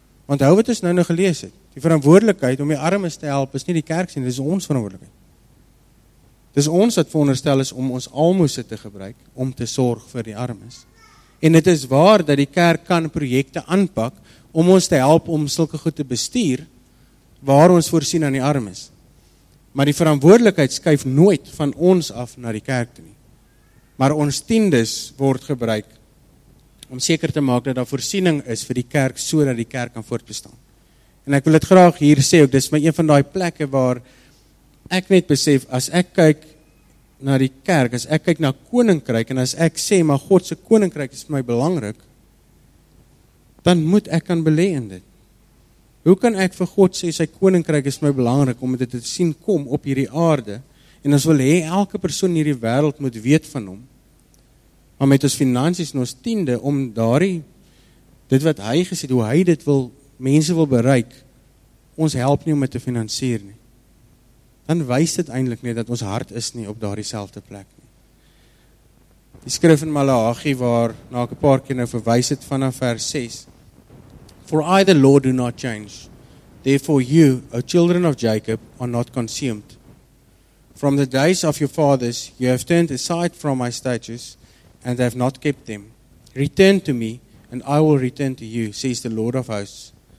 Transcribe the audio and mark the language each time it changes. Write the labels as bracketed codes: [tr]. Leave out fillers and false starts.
[af] Want hou wat ons nou gelees het, die verantwoordelikheid om die armes te help, is nie die kerk sien, dit is ons verantwoordelikheid. Dit is ons wat veronderstel is om ons almose te gebruik, om te sorg vir die armes. En het is waar dat die kerk kan projekte aanpak om ons te help om sulke goed te bestuur waar ons voorsien aan die arm is. Maar die verantwoordelikheid skuif nooit van ons af na die kerk toe nie. Maar ons tiendes word gebruik om seker te maak dat daar voorsiening is vir die kerk so dat die kerk kan voortbestaan. En ek wil dit graag hier sê, ook dis maar een van die plekke waar ek net besef, as ek kyk na die kerk, as ek kyk na koninkryk en as ek sê, maar Godse koninkryk is vir my belangrik, dan moet ek kan belê in dit. Hoe kan ek vir God sê, sy koninkryk is vir my belangrik, om dit te sien kom op hierdie aarde, en ons wil hê, elke persoon in hierdie wereld moet weet van hom, maar met ons finansies en ons tiende, om daarie, dit wat hy gesê, hoe hy dit wil, mense wil bereik, ons help nie om dit te finansier nie. Dan wys dit eindelijk nie dat ons hart is nie op daardie selfde plek nie. Die skrif in Malachi waar na ek 'n paar keer nou verwys het vanaf vers 6. [en] For I the Lord do not change. Therefore you, O children of Jacob, are not consumed. From the days of your fathers you have turned aside from my statutes and have not kept them. Return to me and I will return to you, says the Lord of hosts.